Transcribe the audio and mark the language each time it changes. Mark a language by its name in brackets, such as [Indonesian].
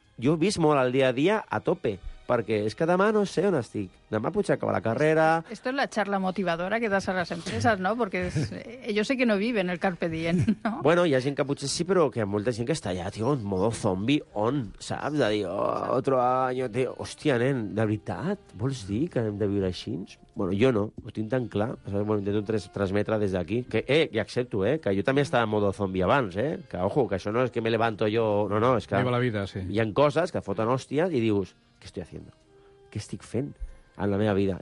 [Catalan] Jo he vist molt el dia a dia a tope, perquè és que demà no sé on estic. Demà potser acaba la carrera... [Spanish] Esto es la charla motivadora que das a las empresas, ¿no? Porque ellos sé que no viven el carpe diem, ¿no? [Catalan] Bueno, hi ha gent que potser sí, però que hi ha molta gent que està allà, tio, en modo zombi, on, saps? De dir, oh, [Spanish] otro año, tío... [Catalan] Hòstia, nen, de veritat? Vols dir que hem de viure així? Bueno, jo no, ho tinc tan clar. Bueno, intento transmetre des d'aquí. Que, i accepto, que jo també estava en modo zombi abans, eh? Que, ojo, que això no és que [Spanish] me levanto [Catalan] jo... No, no, és que... Viva la vida, sí. Hi ha coses que foten hòstia i dius... [Spanish] ¿Qué estoy haciendo? [Catalan] ¿Qué estic fent en la meva vida?